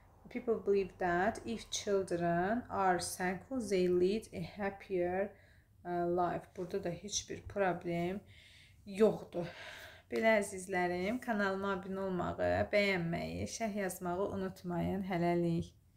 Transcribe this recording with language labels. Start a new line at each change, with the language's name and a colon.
English: People believe that if children are thankful, they lead a happier life.
Azerbaijani: Burada da heç bir problem yoxdur. Belə əzizlərim, kanalıma abunə olmağı, bəyənməyi, şərh yazmağı unutmayın. Hələlik.